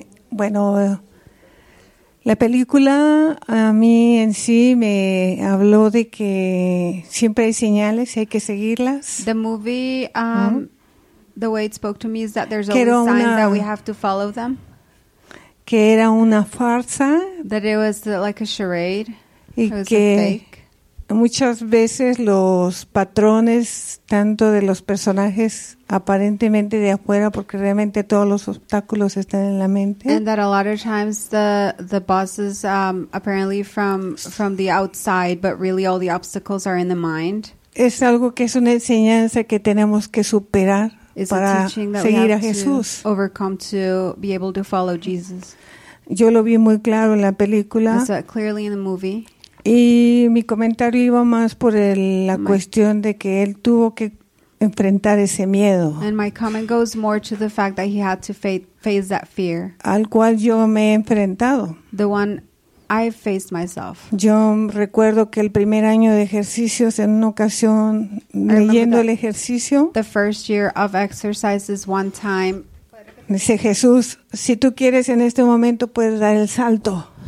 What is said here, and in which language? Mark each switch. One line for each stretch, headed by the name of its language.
Spanish: Bueno, la película a mí en sí me habló de que siempre hay señales, hay que seguirlas.
English: The movie, the way it spoke to me is that there's always signs that we have to follow them.
Spanish: Que era una farsa.
English: That it was like a charade.
Spanish: Y que muchas veces los patrones, tanto de los personajes aparentemente de afuera, porque realmente todos los obstáculos están en la mente.
English: And that a lot of times the bosses, apparently from the outside, but really all the obstacles are in the mind.
Spanish: Es algo que es una enseñanza que tenemos que superar para seguir a Jesús.
English: To overcome to be able to follow Jesus.
Spanish: Yo lo vi muy claro en la película.
English: Is that clearly in the movie?
Spanish: Y mi comentario iba más por la cuestión de que él tuvo que enfrentar ese miedo.
English: And my comment goes more to the fact that he had to face that fear.
Spanish: Al cual yo me he enfrentado.
English: The one I faced myself.
Spanish: Yo recuerdo que el primer año de ejercicios en una ocasión leyendo el ejercicio.
English: The first year of exercises one time.
Spanish: Dice Jesús, si tú quieres en este momento puedes dar el salto.